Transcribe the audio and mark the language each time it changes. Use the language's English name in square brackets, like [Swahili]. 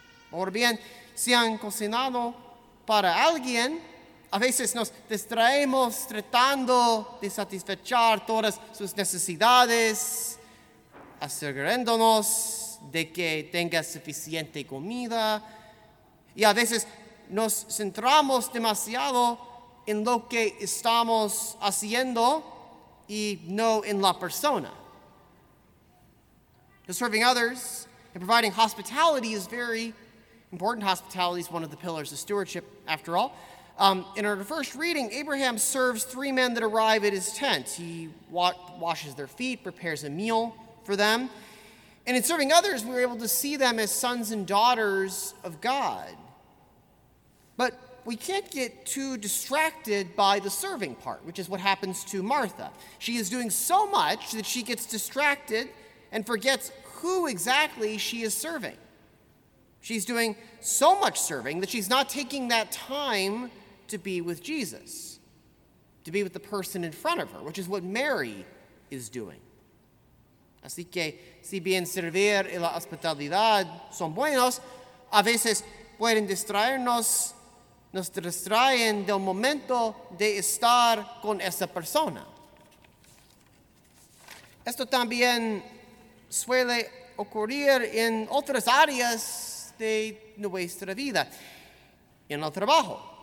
[Spanish] O bien, si han cocinado para alguien, a veces nos distraemos tratando de satisfacer todas sus necesidades, asegurándonos de que tenga suficiente comida, y a veces nos centramos demasiado en lo que estamos haciendo y no en la persona. [English] Serving others and providing hospitality is very important. Hospitality is one of the pillars of stewardship, after all. In our first reading, Abraham serves three men that arrive at his tent. He washes their feet, prepares a meal for them. And in serving others, we're able to see them as sons and daughters of God. But we can't get too distracted by the serving part, which is what happens to Martha. She is doing so much that she gets distracted and forgets who exactly she is serving. She's doing so much serving that she's not taking that time to be with Jesus, to be with the person in front of her, which is what Mary is doing. [Spanish] Así que, si bien servir y la hospitalidad son buenos, a veces pueden distraernos, nos distraen del momento de estar con esa persona. Esto también suele ocurrir en otras áreas de nuestra vida, en el trabajo.